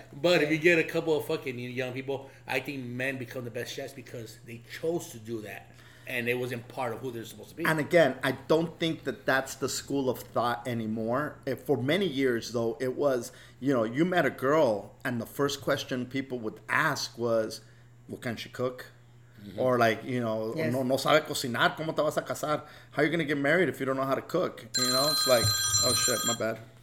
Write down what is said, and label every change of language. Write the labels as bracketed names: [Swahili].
[English] But if you get a couple of fucking young people, I think men become the best chefs because they chose to do that. And it wasn't part of who they're supposed to be. And again, I don't think that that's the school of thought anymore. For many years, though, it was, you know, you met a girl and the first question people would ask was, well, can she cook? Mm-hmm. Or like, you know, yes. [Spanish] No sabe cocinar, ¿cómo te vas a casar? [English] How are you going to get married if you don't know how to cook? You know, it's like, oh shit, my bad.